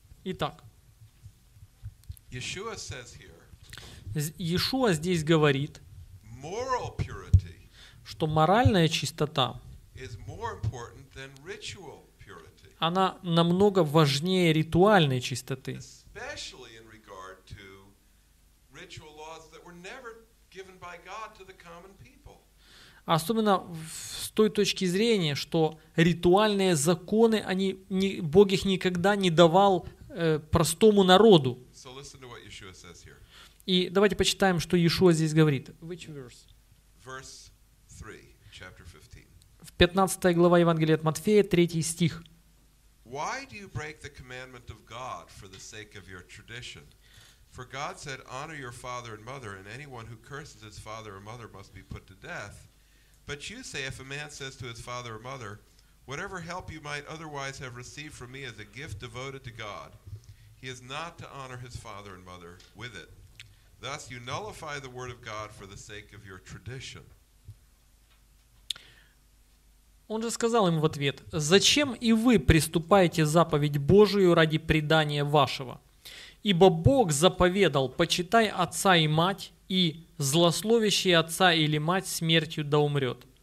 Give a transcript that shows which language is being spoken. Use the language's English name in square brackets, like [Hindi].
[Russian] итак, [English] Yeshua says here, [Russian] Yeshua здесь говорит, [English] moral purity, [Russian] что моральная чистота, [English] is more important than ritual purity. [Russian] Она намного важнее ритуальной чистоты. [English] Especially in regard to ritual laws that were never given by God to the common people. [Russian] Особенно с той точки зрения, что ритуальные законы, они, не, Бог их никогда не давал простому народу. [English] So listen to what Yeshua says here. [Russian] И давайте почитаем, что Yeshua здесь говорит. [English] Which verse? Verse 3, chapter 15. [Russian] В 15 глава Евангелия от Матфея, 3 стих. [English] Why do you break the commandment of God for the sake of your tradition? For God said, honor your father and mother, and anyone who curses his father or mother must be put to death. But you say, if a man says to his father or mother, whatever help you might otherwise have received from me as a gift devoted to God, he is not to honor his father and mother with it. Thus you nullify the word of God for the sake of your tradition. [Russian] Он же сказал им в ответ, зачем и вы приступаете заповедь Божию ради предания вашего? Ибо Бог заповедал, почитай отца и мать, и злословящий отца или мать смертью да умрет.